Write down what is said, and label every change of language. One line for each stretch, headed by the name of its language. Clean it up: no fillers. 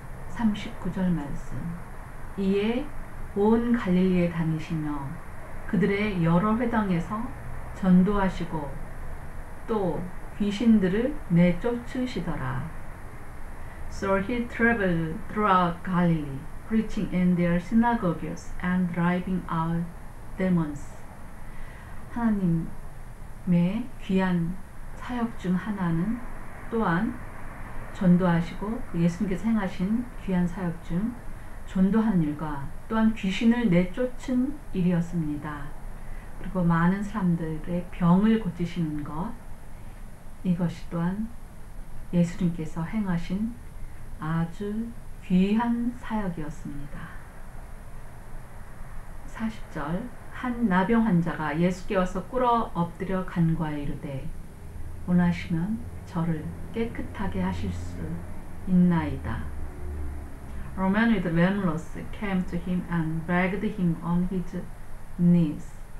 Korean: 39절 말씀 이에 온 갈릴리에 다니시며 그들의 여러 회당에서 전도하시고 또 귀신들을 내쫓으시더라.
English: So he traveled throughout Galilee, preaching in their synagogues and driving out demons.
Korean: 하나님의 귀한 사역 중 하나는 또한 전도하시고 예수님께서 행하신 귀한 사역 중 전도한 일과 또한 귀신을 내쫓은 일이었습니다. 그리고 많은 사람들의 병을 고치시는 것 이것이 또한 예수님께서 행하신 아주 귀한 사역이었습니다. 40절 한 나병 환자가 예수께 와서 꿇어 엎드려 간구하여 이르되 원하시면 저를 깨끗하게 하실 수 있나이다.
English: A man with leprosy came to him and begged him on his knees.